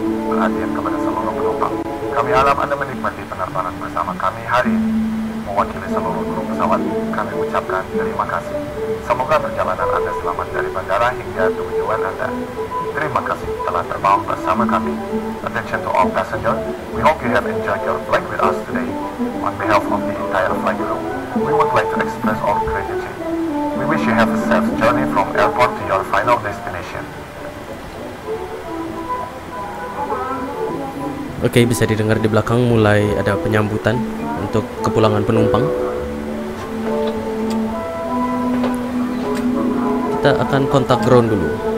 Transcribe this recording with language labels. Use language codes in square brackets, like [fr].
[id] Perhatian kepada seluruh penumpang. Kami harap Anda menikmati penerbangan bersama kami hari ini. Mewakili seluruh kru pesawat, kami ucapkan terima kasih. Semoga perjalanan Anda selamat dari bandara hingga tujuan Anda. Terima kasih telah terbang bersama kami. [en] Attention to all passengers, we hope you have enjoyed your flight with us today. On behalf of the entire flight crew, we would like to express our gratitude. We wish you have a safe journey from airport to your final destination. [id] Okay, bisa didengar di belakang mulai ada penyambutan untuk kepulangan penumpang. Kita akan kontak ground dulu.